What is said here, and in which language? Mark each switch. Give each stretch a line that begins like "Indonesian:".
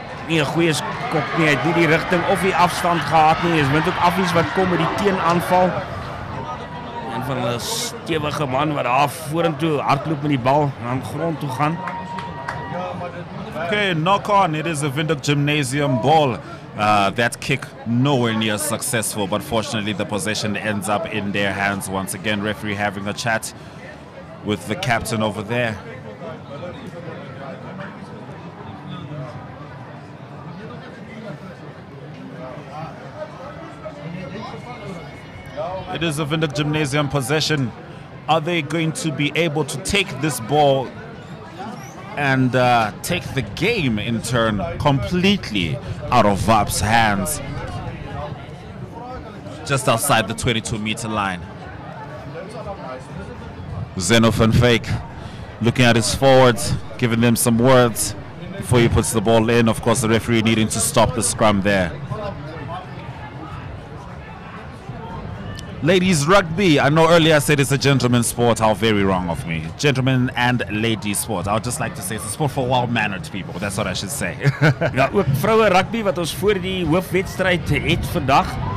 Afrikaans: Nie 'n goeie skop nie, hy het nie die rigting of die afstand gehad nie. Dis Windhoek Affies wat kom met die teenaanval. En van 'n stewige man wat daar vorentoe hardloop met die bal en aan grond toe gaan.
English: Okay, knock on. It is a Windhoek Gymnasium ball. That kick nowhere near successful, but fortunately the possession ends up in their hands once again. Referee having a chat with the captain over there. It is a Windhoek Gymnasium possession. Are they going to be able to take this ball and take the game in turn completely out of VAP's hands? Just outside the 22-meter line. Xenophon Fake looking at his forwards, giving them some words before he puts the ball in. Of course, the referee needing to stop the scrum there. Ladies rugby, I know earlier I said it's a gentleman's sport. How very wrong of me. Gentlemen and ladies sport. I would just like to say it's a sport for well-mannered people. That's what I should say.
Afrikaans: Ja, ook vroue rugby wat ons voor die hoofwedstryd het vandag.